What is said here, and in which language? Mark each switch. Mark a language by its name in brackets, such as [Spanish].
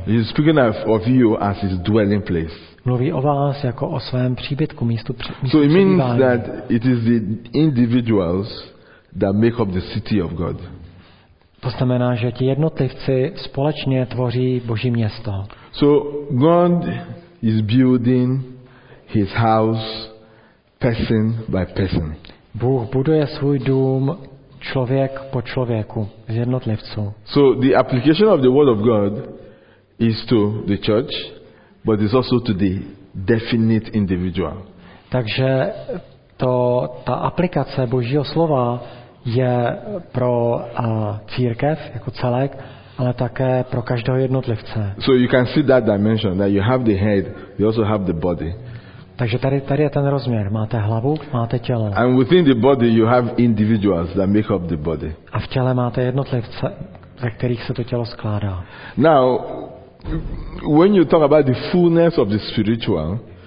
[English] He's speaking of you as his dwelling place. [Czech] Mluví o vás jako o svém příbytku, místu přebývání. [English] So it means that it is the individuals that make up the city of God. [Czech] To znamená, že ti jednotlivci společně tvoří Boží město. [English] So God is building his house person by person. [Czech] Bůh buduje svůj dům člověk po člověku, z jednotlivců. [English] So the application of the word of God is to the church, but it's also to the definite individual. [Czech] Takže ta aplikace Božího slova je pro církev jako celek, ale také pro každého jednotlivce. [English] So you can see that dimension, that you have the head, you also have the body. [Czech] Takže tady je ten rozměr. Máte hlavu, máte tělo. [English] And within the body you have individuals that make up the body. [Czech] A v těle máte jednotlivce, ze kterých se to tělo skládá. [English] Now, when you talk about the fullness of the spiritual,